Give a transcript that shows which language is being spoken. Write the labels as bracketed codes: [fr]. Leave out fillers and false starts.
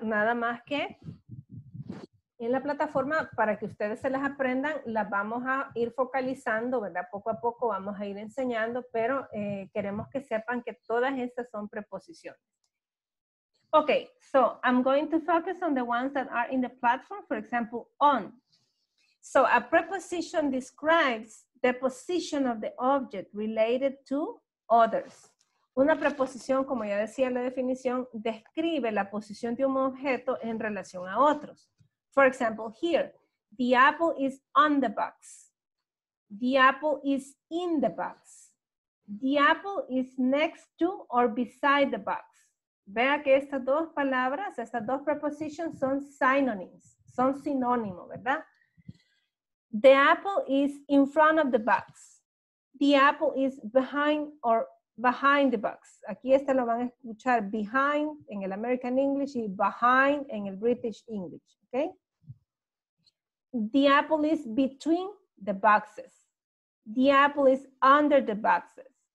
[es] Nada más que en la plataforma, para que ustedes se las aprendan, las vamos a ir focalizando, ¿verdad? Poco a poco vamos a ir enseñando, pero queremos que sepan que todas estas son preposiciones. [en] Okay, so I'm going to focus on the ones that are in the platform, for example, on. So a preposition describes the position of the object related to others. [es] Una preposición, como ya decía en la definición, describe la posición de un objeto en relación a otros. [en] For example, here, the apple is on the box. The apple is in the box. The apple is next to or beside the box. [es] Vea que estas dos palabras, estas dos prepositions son synonyms, son sinónimos, ¿verdad? [en] The apple is in front of the box. The apple is behind or behind the box. [es] Aquí este lo van a escuchar behind en el American English y behind en el British English. Okay? [en] The apple is between the boxes. The apple is under the boxes.